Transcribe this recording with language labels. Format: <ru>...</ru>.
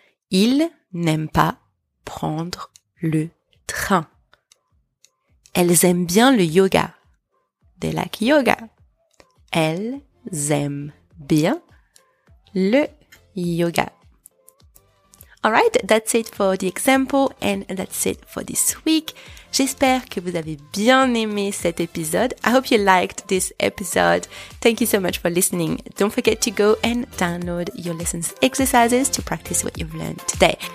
<fr>Ils n'aiment pas prendre le train. Elles aiment bien le yoga.</fr> <en>They like yoga.</en> <fr>Elles aiment bien le yoga.</fr> <en>All right, that's it for the example and that's it for this week.</en> <fr>J'espère que vous avez bien aimé cet épisode.</fr> <en>I hope you liked this episode. Thank you so much for listening. Don't forget to go and download your lessons exercises to practice what you've learned today.</en>